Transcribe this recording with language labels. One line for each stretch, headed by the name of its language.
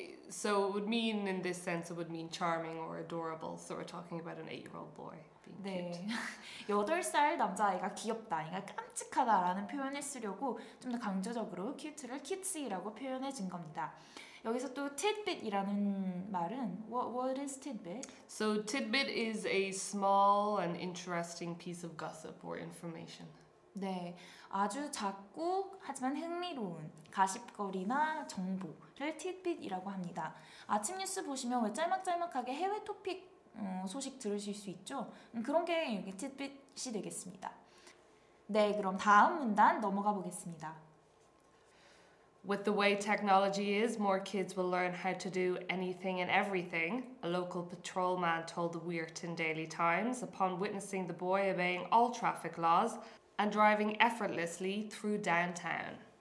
English: So it would mean, in this sense, it would mean charming or adorable. So we're talking about an 8-year-old boy being
Korean: 네.
English: cute.
Korean: 8살 남자아이가 귀엽다, 그러니까 깜찍하다라는 표현을 쓰려고 좀 더 강조적으로 cute를 cutesy라고 표현해 준 겁니다. 여기서 또 tidbit이라는 말은
English: what is tidbit? So tidbit is a small and interesting piece of gossip or information.
Korean: 네, 아주 작고 하지만 흥미로운 가십거리나 정보를 tidbit이라고 합니다. 아침 뉴스 보시면 왜 짤막짤막하게 해외 토픽 소식 들으실 수 있죠? 그런 게 여기 tidbit이 되겠습니다. 네, 그럼 다음 문단 넘어가 보겠습니다.
English: With the way technology is, more kids will learn how to do anything and everything, a local patrolman told the Weirton Daily Times upon witnessing the boy obeying all traffic laws and driving effortlessly through downtown.